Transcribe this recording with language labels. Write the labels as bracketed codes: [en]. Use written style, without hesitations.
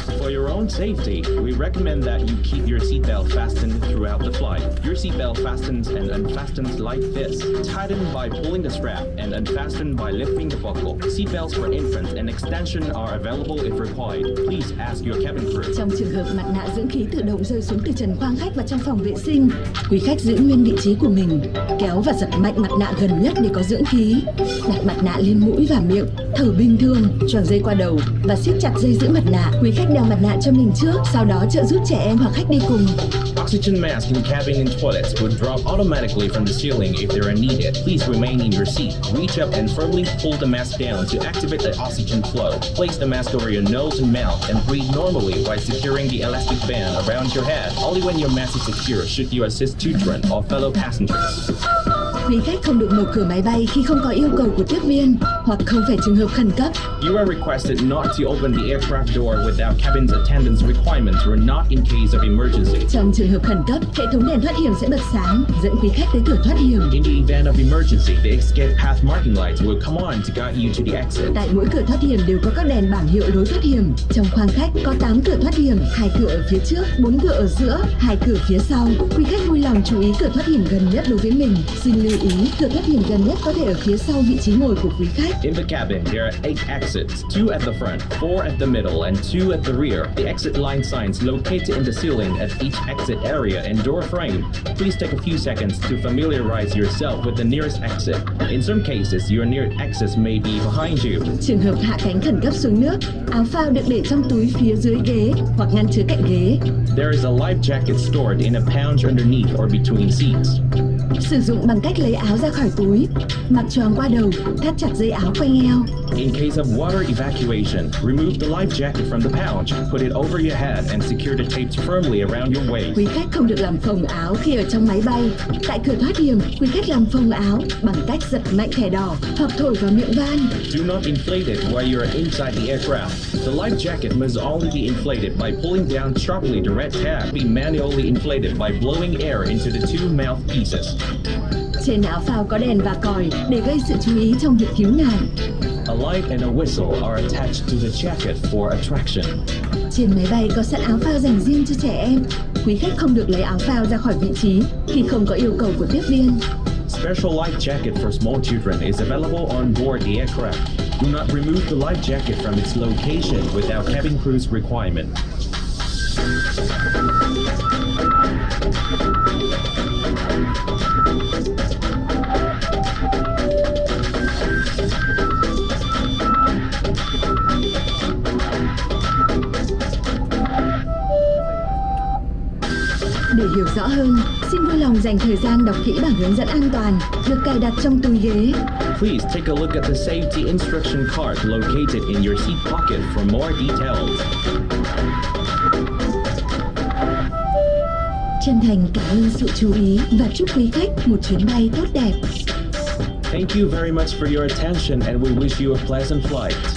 [en] For your own safety, we recommend that you keep your seatbelt fastened throughout the flight. Your seatbelt fastens and unfastens like this. Tighten by pulling the strap and unfasten by lifting the buckle. Seatbelts for infants and extension are available if required. Please ask your cabin crew. [vi] Trong trường hợp mặt nạ dưỡng khí tự động rơi xuống từ trần khoang khách và trong phòng vệ sinh, quý khách giữ nguyên vị trí của mình, kéo và giật mạnh mặt nạ gần nhất để có dưỡng khí. Đặt mặt nạ lên mũi và miệng, thở bình thường, choàng dây qua đầu và siết chặt dây giữ mặt nạ. Quý khách đeo mặt nạ cho mình trước, sau đó trợ giúp trẻ em hoặc khách đi cùng. [en] Oxygen mask in cabin and toilets would drop automatically from the ceiling if they are needed. Please remain in your seat. Reach up and firmly pull the mask down to activate the oxygen flow. Place the mask over your nose and mouth and breathe normally by securing the elastic band around your head. Only when your mask is secure should you assist children or fellow passengers. [vi] Quý khách không được mở cửa máy bay khi không có yêu cầu của tiếp viên hoặc không phải trường hợp khẩn cấp. [en] You are requested not to open the aircraft door without cabin attendant's requirements or not in case of emergency. [vi] Trong trường hợp khẩn cấp, hệ thống đèn thoát hiểm sẽ bật sáng, dẫn quý khách tới cửa thoát hiểm. [en] In the event of emergency, the escape path marking lights will come on to guide you to the exit. [vi] Tại mỗi cửa thoát hiểm đều có các đèn bảng hiệu lối thoát hiểm. Trong khoang khách có 8 cửa thoát hiểm, 2 cửa ở phía trước, 4 cửa ở giữa, 2 cửa phía sau. Quý khách vui lòng chú ý cửa thoát hiểm gần nhất đối với mình. Xin lưu ý, cửa thoát hiểm gần nhất có thể ở phía sau vị trí ngồi của quý khách. [en] In the cabin, there are 8 exits, 2 at the front, 4 at the middle, and 2 at the rear. The exit line signs located in the ceiling at each exit area and door frame. Please take a few seconds to familiarize yourself with the nearest exit. In some cases, your nearest exit may be behind you. [vi] Trường hợp hạ cánh khẩn cấp xuống nước, áo phao được để trong túi phía dưới ghế hoặc ngăn chứa cạnh ghế. [en] There is a life jacket stored in a pouch underneath or between seats. [vi] Sử dụng bằng cách lấy áo ra khỏi túi, mặc choàng qua đầu, thắt chặt dây áo quanh eo. [en] In case of water evacuation, remove the life jacket from the pouch, put it over your head and secure the tape firmly around your waist. [vi] Quý khách không được làm phồng áo khi ở trong máy bay. Tại cửa thoát hiểm, quý khách làm phồng áo bằng cách giật mạnh thẻ đỏ hoặc thổi vào miệng van. [en] Do not inflate it while you are inside the aircraft. The life jacket must only be inflated by pulling down sharply the red tab. Be manually inflated by blowing air into the two mouthpieces. [vi] Trên áo phao có đèn và còi để gây sự chú ý trong việc cứu nạn. [en] A light and a whistle are attached to the jacket for attraction. [vi] Trên máy bay có sẵn áo phao dành riêng cho trẻ em. Quý khách không được lấy áo phao ra khỏi vị trí khi không có yêu cầu của tiếp viên. [en] Special life jacket for small children is available on board the aircraft. Do not remove the life jacket from its location without cabin crew's requirement. [vi] Để hiểu rõ hơn, xin vui lòng dành thời gian đọc kỹ bảng hướng dẫn an toàn được cài đặt trong túi ghế. [en] Please take a look at the safety instruction card located in your seat pocket for more details. [vi] Chân thành cảm ơn sự chú ý và chúc quý khách một chuyến bay tốt đẹp. [en] Thank you very much for your attention and we wish you a pleasant flight.